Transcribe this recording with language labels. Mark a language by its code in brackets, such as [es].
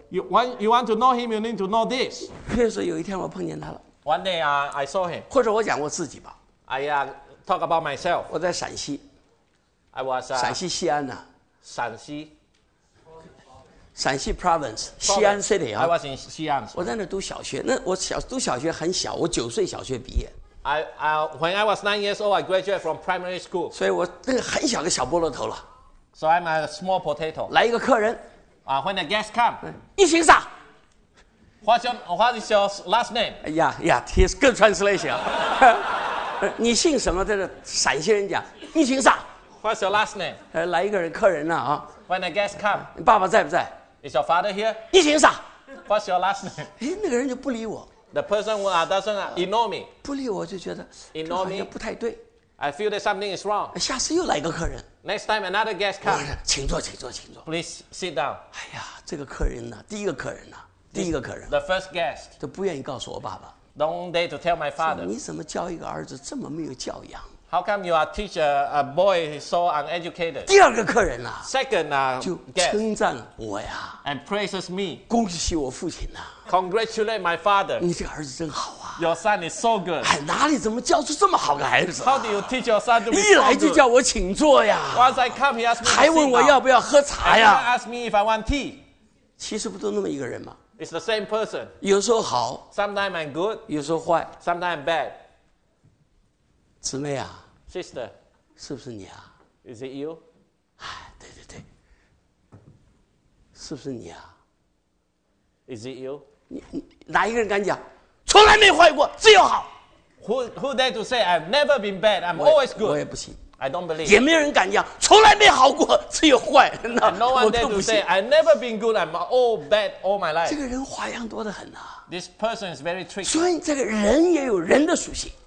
[en] you want to know him, you need to know this. [zh] 比如说有一天我碰见他了 [en] One day, I saw him. [zh] 或者我讲我自己吧 [en] I talk about myself. [zh] 我在陕西 [en] I was, [zh] 陕西西安啊陕西，陕西 province， 西安 city 啊。 [en] I was in 西安。 [zh] 我在那读小学，那我小读小学很小，我九岁小学毕业。 [en] I when I was 9 years old, I graduated from primary school. [zh] 所以我那个很小的小菠萝头了。 [en] So I'm a small potato. [zh] 来一个客人。 [en] When the guest come, [zh] 你姓啥 [en] ？What is your last name? Yeah, yeah, it's good translation. [zh] 你姓什么？在这陕西人讲，你姓啥？ [en] What's your last name? [zh] 来一个人客人呢啊。 [en] When a guest come. [zh] 你爸爸在不在 [en] ？Is your father here? [zh] 你姓啥 [en] ？What's your last name? [zh] 那个人就不理我。 [en] The person who doesn't ignore me. [zh] 不理我就觉得 [en] ignore me [zh] 不太对。 [en] I feel that something is wrong. [zh] 下次又来一个客人。 [en] Next time another guest come. [zh] 请坐，请坐，请坐。 [en] Please sit down. [zh] 哎呀，这个客人呢，第一个客人呢，第一个客人。 [en] The first guest. [zh] 都不愿意告诉我爸爸。 [en] Don't dare to tell my father. [zh] 你怎么教一个儿子这么没有教养？ [en] How come you are teach a boy so uneducated? [zh] 第二个客人啊 [en] Second, [zh] 就称赞我呀 [en] And praises me. [zh] 恭喜我父亲啊 [en] Congratulate my father. [zh] 你这个儿子真好啊 [en] Your son is so good. [zh] 哎，哪里怎么教出这么好个孩子、啊、 [en] How do you teach your son to be so good? [zh] 一来就叫我请坐呀 [en] Once I come, he asked me to [zh] 还问我要不要喝茶呀 [en] And he asked me if I want tea. [zh] 其实不都那么一个人吗 [en] It's the same person. [zh] 有时候好 [en] Sometimes I'm good. [zh] 有时候坏 [en] Sometimes I'm bad. [zh] 姊妹啊 [en] Sister, [zh] 是不是你啊 [en] ？Is it you？ [zh] 哎，对对对，是不是你啊 [en] ？Is it you？ [zh] 你哪一个人敢讲，从来没坏过，只有好 [en] ？Who dare to say I've never been bad? I'm always good. [zh] 我也不信。 [en] I don't believe. [zh] 也没有人敢讲，从来没好过，只有坏。那 [en] no one dare to say I've never been good. I'm all bad all my life. [zh] 这个人花样多得很啊。 [en] This person is very tricky. [zh] 所以这个人也有人的属性。